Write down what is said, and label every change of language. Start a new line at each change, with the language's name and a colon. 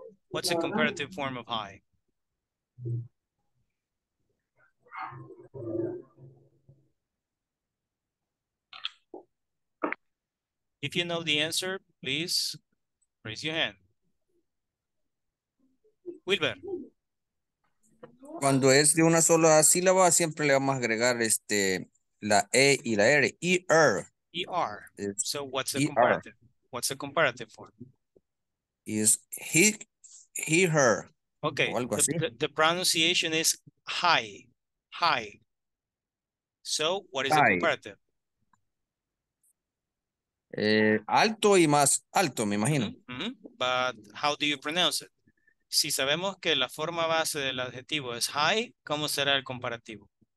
English: What's the comparative form of high? If you know the answer, please raise your hand. Wilber.
Spanish: Cuando es de una sola sílaba, siempre le vamos a agregar este la E y la R. E-R.
English: E-R. So what's the E-R. Comparative? What's the comparative form? Is he, her. Okay. The pronunciation is high. High. So what is high. The comparative?
Spanish: Alto y más alto, me imagino.
English: Mm-hmm. But how do you pronounce it?
Spanish: si sabemos que la forma base del adjetivo es high, ¿cómo será el comparativo?